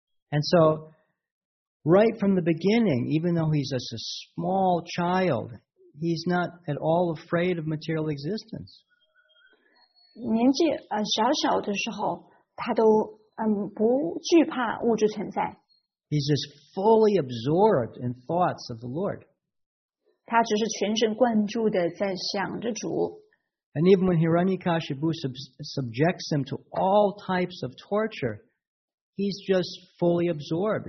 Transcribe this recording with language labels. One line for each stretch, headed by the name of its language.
English: And so, right from the beginning, even though he's just a small child, he's not at all afraid of material existence.
Chinese: 年纪小小的时候，他都不惧怕物质存在。
English: He's just fully absorbed in thoughts of the Lord.
Chinese: 他只是全神贯注地在想着主。
English: And even when Hiranyakashipu subjects him to all types of torture, he's just fully absorbed.